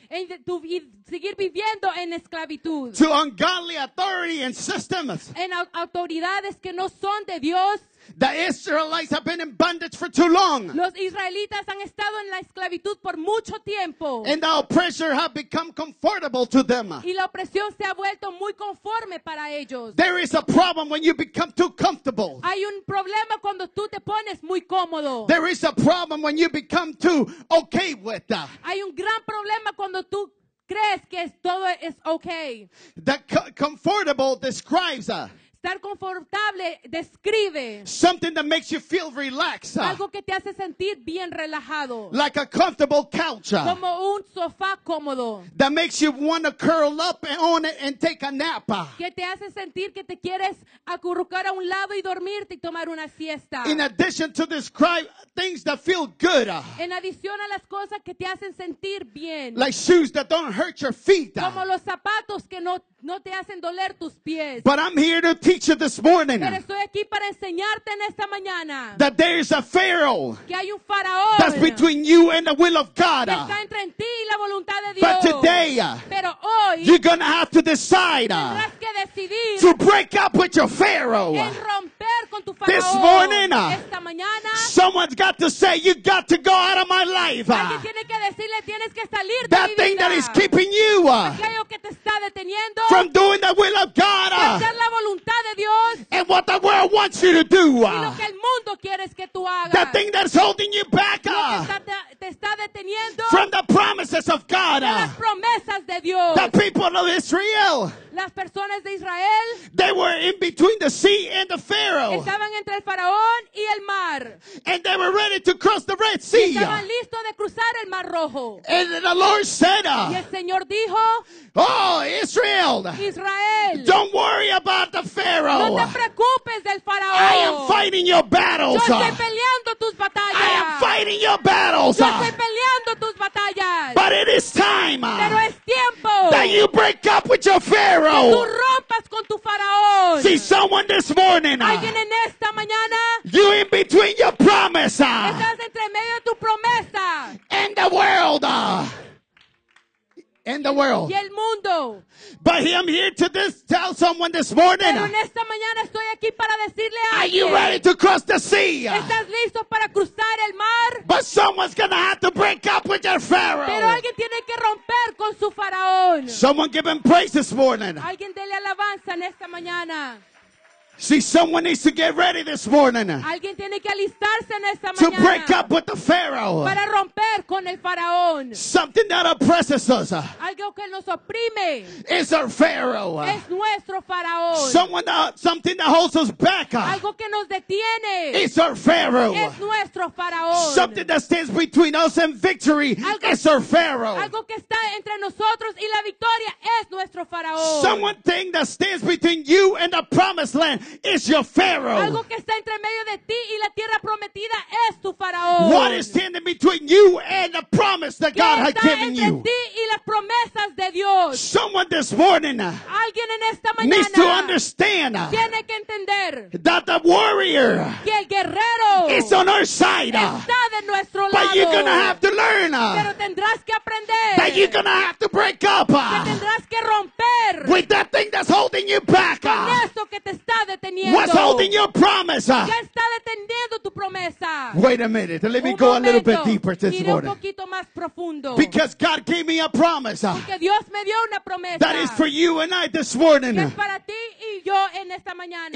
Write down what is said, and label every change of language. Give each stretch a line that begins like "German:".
Spanish: Y seguir viviendo en esclavitud.
English: To ungodly authority and systems.
Spanish: En autoridades que no son de Dios.
English: The Israelites have been in bondage for too long.
Spanish: Los israelitas han estado en la esclavitud por mucho tiempo.
English: And the oppressor has become comfortable to them.
Spanish: Y la opresión se ha vuelto muy conforme para ellos.
English: There is a problem when you become too comfortable.
Spanish: Hay un problema cuando tú te pones muy cómodo.
English: There is a problem when you become too okay with that.
Spanish: Hay un gran problema cuando tú crees que todo es okay.
English: The comfortable describes a
Spanish: estar confortable describe
English: something that makes you feel relaxed.
Spanish: Algo que te hace sentir bien relajado.
English: Like a comfortable couch.
Spanish: Como un sofá cómodo.
English: That makes you want to curl up on it and take a nap.
Spanish: Que te hace sentir que te quieres acurrucar a un lado y dormirte y tomar una siesta.
English: In addition to describe things that feel good.
Spanish: En adición a las cosas que te hacen sentir bien.
English: Like shoes that don't hurt your feet.
Spanish: Como los zapatos que no te hacen doler tus pies.
English: But I'm here to teach you this morning.
Spanish: Pero estoy aquí para enseñarte en esta mañana.
English: That there is a Pharaoh.
Spanish: Que hay un faraón.
English: That's between you and the will of God.
Spanish: Que está entre ti y la voluntad de Dios.
English: But today,
Spanish: pero hoy,
English: you're gonna have to decide.
Spanish: Tendrás que decidir.
English: To break up with your Pharaoh.
Spanish: En romper con tu faraón.
English: This morning,
Spanish: esta mañana,
English: someone's got to say, you got to go out of my life.
Spanish: Alguien tiene que decirle, tienes que salir de
English: that
Spanish: mi vida.
English: Thing that is keeping you.
Spanish: Aquello que te está deteniendo.
English: From doing the will of God.
Spanish: Hacer la voluntad de Dios.
English: And what the world wants you to do.
Spanish: Y lo que el mundo quieres que tú hagas.
English: The thing that's holding you back.
Spanish: Lo que te está deteniendo.
English: From the promises of God.
Spanish: De las promesas de Dios.
English: The people of Israel.
Spanish: Las personas de Israel.
English: They were in between the sea and the Pharaoh.
Spanish: Estaban entre el faraón y el mar.
English: And they were ready to cross the Red Sea.
Spanish: Y estaban listos de cruzar el Mar Rojo.
English: And the Lord said.
Spanish: Y el Señor dijo.
English: Oh, Israel.
Spanish: Israel,
English: don't worry about the Pharaoh.
Spanish: No te preocupes del faraón.
English: I am fighting your battles.
Spanish: Yo estoy peleando tus batallas.
English: I am fighting your battles.
Spanish: Yo estoy peleando tus batallas.
English: But it is time.
Spanish: Pero es tiempo.
English: That you break up with your Pharaoh.
Spanish: Que tú rompas con tu faraón.
English: See someone this morning.
Spanish: Alguien en esta mañana.
English: You in between your promise.
Spanish: Estás entre medio de tu promesa.
English: And the world. In the world.
Spanish: Y el mundo.
English: But I'm here to tell someone this morning.
Spanish: Pero en esta mañana estoy aquí para decirle a alguien.
English: Are you ready to cross the sea?
Spanish: ¿Estás listo para cruzar el mar?
English: But someone's gonna have to break up with your Pharaoh.
Spanish: Pero alguien tiene que romper con su faraón.
English: Someone give him praise this morning.
Spanish: Alguien dele alabanza en esta mañana.
English: See, someone needs to get ready this morning.
Spanish: Alguien tiene que alistarse en esta mañana.
English: To break up with the Pharaoh.
Spanish: Para romper con el faraón.
English: Something that oppresses us.
Spanish: Algo que nos oprime.
English: Is our Pharaoh.
Spanish: Es nuestro faraón.
English: Something that holds us back.
Spanish: Algo que nos detiene.
English: Is our Pharaoh.
Spanish: Es nuestro faraón.
English: Something that stands between us and victory. Is our Pharaoh.
Spanish: Algo que está entre nosotros y la victoria es nuestro faraón.
English: Someone thing that stands between you and the promised land. Is your Pharaoh.
Spanish: Algo que está entre medio de ti y la tierra prometida es tu faraón.
English: What is standing between you and the promise that God had given you?
Spanish: Que está entre ti y las promesas de Dios.
English: Someone this morning.
Spanish: Alguien en esta mañana.
English: Needs to understand.
Spanish: Tiene que entender.
English: That the warrior.
Spanish: Que el guerrero.
English: Is on our side.
Spanish: Está de nuestro lado.
English: But you're gonna have to learn.
Spanish: Pero tendrás que aprender.
English: That you're gonna have to break up.
Spanish: Que tendrás que romper.
English: With that thing that's holding you back.
Spanish: Con esto que te está deteniendo.
English: What's holding your promise?
Spanish: Ya está deteniendo tu promesa.
English: Wait a minute. Let me go a little bit deeper this morning.
Spanish: Un poquito más profundo.
English: Because God gave me a promise.
Spanish: Porque Dios me dio una promesa.
English: That is for you and I this morning.
Spanish: Que es para ti y yo en esta mañana.